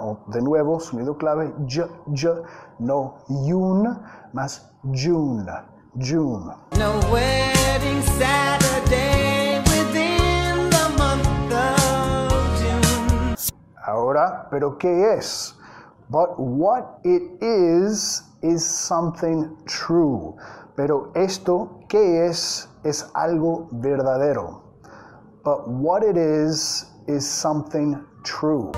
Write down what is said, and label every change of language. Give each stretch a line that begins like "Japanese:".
Spanish: O de nuevo, sonido clave, no, June, más June, June.
English: No wedding Saturday within the month of June.
Spanish: Ahora, ¿pero qué es?
English: But what it is something true.
Spanish: Pero esto, ¿qué es algo verdadero?
English: But what it is something true.